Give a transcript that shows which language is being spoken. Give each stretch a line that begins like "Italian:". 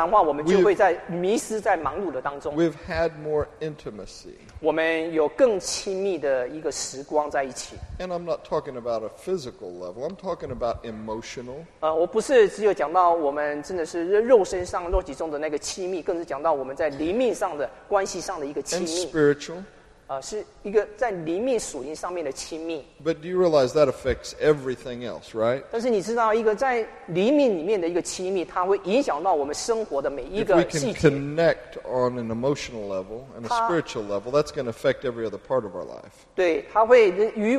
Chinese: 但是我们必须要有一个对的次序，不然的话，我们就会在迷失在忙碌的当中。
English: We've had more intimacy.
Chinese: 我们有更亲密的一个时光在一起。
English: And I'm not talking about a physical level. I'm talking about emotional.
Chinese: 我不是只有讲到我们真的是肉身上、肉体中的那个亲密，更是讲到我们在灵命上的、关系上的一个亲密。
English: And spiritual.
Chinese: 是一个在灵命属灵上面的亲密。
English: But do you realize that affects everything else, right?
Chinese: 但是你知道，一个在灵命里面的一个亲密，它会影响到我们生活的每一个细节。
English: If we can connect on an emotional level and a spiritual level, that's going to affect every other part of our life.